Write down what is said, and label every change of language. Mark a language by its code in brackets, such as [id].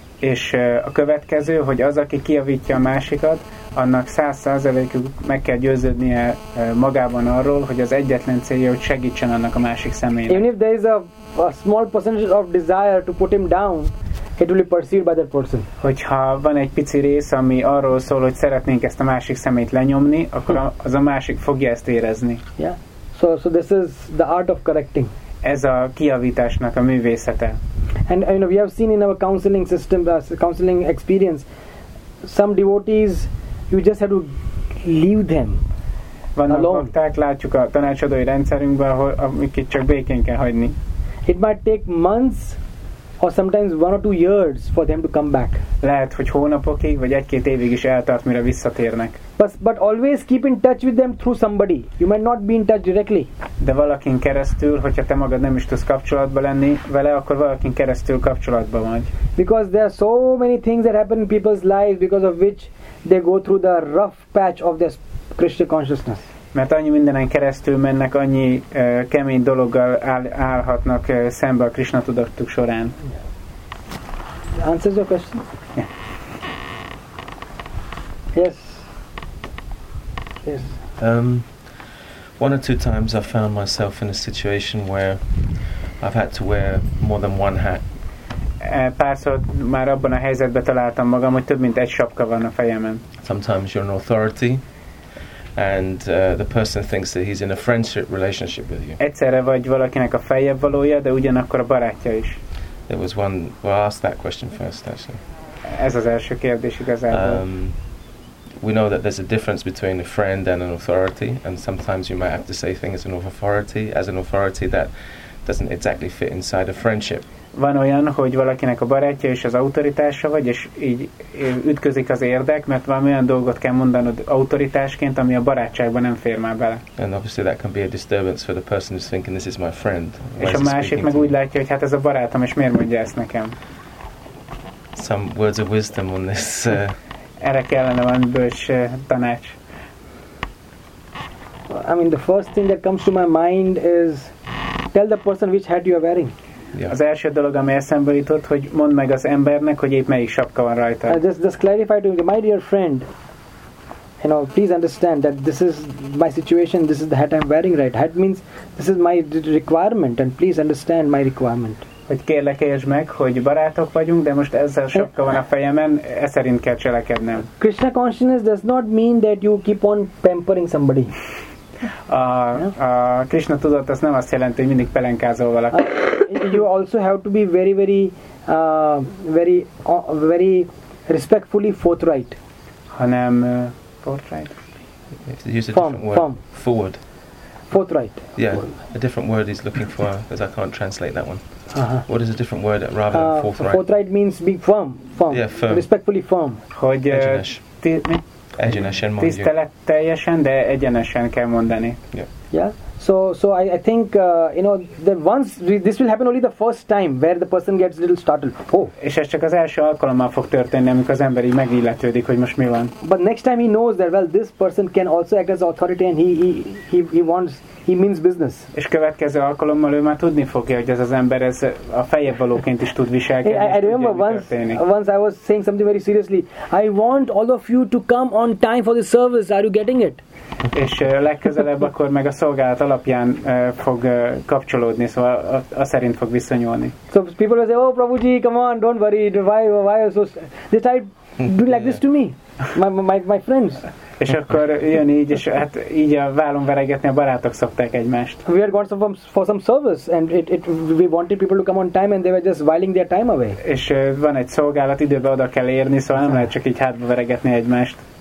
[hu] És a következő, hogy az, aki kijavítja a másikat, annak 100%-ig meg kell győződnie magában arról, hogy az egyetlen célja, hogy segítsen annak a másik személynek. [en] Even if there is a small percentage of desire to put him down, it will be perceived by that person. [hu] Hogyha van egy pici rész, ami arról szól, hogy szeretnénk ezt a másik szemét lenyomni, akkor az a másik fogja ezt érezni. [en] Yeah. So this is the art of correcting. [hu] Ez a kijavításnak a művészete. [en] And you know, we have seen in our counseling system, counseling experience, some devotees, you just have to leave them. [hu] Vannak bakták, látjuk a tanácsadói rendszerünkben, amiket csak békén kell hagyni. [en] It might take months or sometimes one or two years for them to come back. [hu] Lehet, hogy hónapokig vagy egy-két évig is eltart, mire visszatérnek. [en] But always keep in touch with them through somebody. You might not be in touch directly. [hu] De valakin keresztül, hogyha te magad nem is tudsz kapcsolatban lenni vele, akkor valakin keresztül kapcsolatban vagy. [en] Because there are so many things that happen in people's lives because of which they go through the rough patch of their Krishna consciousness. [hu] Mert annyi mindenen keresztül mennek, annyi kemény dologgal állhatnak szembe a Krishna tudatuk során. [en] Yeah. Answers your question? Yeah. Yes. Yes. One or two times I found myself in a situation where I've had to wear more than one hat. [hu] Párszor már abban a helyzetben találtam magam, hogy több mint egy sapka van a fejemen. [en] Sometimes you're an authority. And the person thinks that he's in a friendship relationship with you. [hu] Egyszerre vagy valakinek a feljebb valója, de ugyanakkor a barátja is. [en] There was one. Well, I'll ask that question first, actually. [hu] Ez az első kérdés igazából. [en] We know that there's a difference between a friend and an authority, and sometimes you might have to say things as an authority that doesn't exactly fit inside a friendship. [hu] Van olyan, hogy valakinek a barátja és az autoritása vagy, és így ütközik az érdek, mert valami olyan dolgot kell mondanod autoritásként, ami a barátságban nem fér már bele. [en] And obviously that can be a disturbance for the person who's thinking this is my friend. [hu] És a másik meg úgy látja, hogy hát ez a barátom, és miért mondja ezt nekem? [en] Some words of wisdom on this. [hu] Erre kellene van bölcs tanács. [en] I mean, the first thing that comes to my mind is tell the person which hat you are wearing. Yeah. [hu] Az első dolog, ami eszembe jutott, hogy mondd meg az embernek, hogy épp melyik sapka van rajta. [en] Just clarify to me, my dear friend, you know, please understand that this is my situation, this is the hat I'm wearing right. Hat means this is my requirement, and please understand my requirement. [hu] Hogy kérlek, értsd meg, hogy barátok vagyunk, de most ezzel sapka van a fejemen, e szerint kell cselekednem. [en] Krishna consciousness does not mean that you keep on pampering somebody. [hu] A Krishna tudat az nem azt jelenti, hogy mindig pelenkázol valakit. [en] You also have to be very, very, very, very respectfully forthright. [hu] Hanem forthright. [en] Use a different word. Form. Forward. Forthright. Yeah, a different word he's looking for, because I can't translate that one. Uh-huh. What is a different word rather than forthright? Forthright means be firm. Yeah, firm. Respectfully firm. [hu] Hogy egyenes. Egyenesen mondjuk. Tiszteletteljesen, de egyenesen kell mondani. [en] Yeah. Yeah. So I think you know that once this will happen only the first time where the person gets a little startled. Oh. [hu] És ez csak az első alkalommal fog történni, amikor az ember így megilletődik, hogy most mi van. [en] But next time he knows that well this person can also act as authority and he wants he means business. [hu] És következő alkalommal ő már tudni fogja, hogy ez az ember ez a fejebb valóként is tud viselkedni. [en] I remember once I was saying something very seriously. I want all of you to come on time for the service. Are you getting it? [hu] És legközelebb akkor meg a szolgálat alapján fog kapcsolódni, szóval a szerint fog viszonyulni. [en] So people will say, oh Prabhuji, come on, don't worry, why so they try do like this to me, my friends. [hu] És akkor jön így, és hát így a vállon veregetni a barátok szokták egymást. [en] We are going for some service, and we wanted people to come on time, and they were just whiling their time away. [hu] És van egy szolgálat, időben oda kell érni, szóval nem lehet csak így hátba veregetni egymást.